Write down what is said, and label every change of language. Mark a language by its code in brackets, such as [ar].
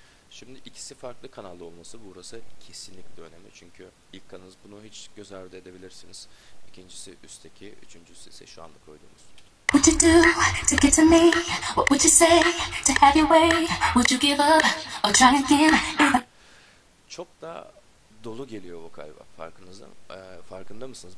[tr] Şimdi ikisi farklı kanalda olması burası kesinlikle önemli. Çünkü ilk kanalınız, bunu hiç göz ardı edebilirsiniz. İkincisi üstteki, üçüncüsü ise şu anda koyduğumuz. [en] Would you do to get to me? What would you say to have your way? Would you give up or try again? [tr] Çok da dolu geliyor vokal, farkınızda farkında mısınız?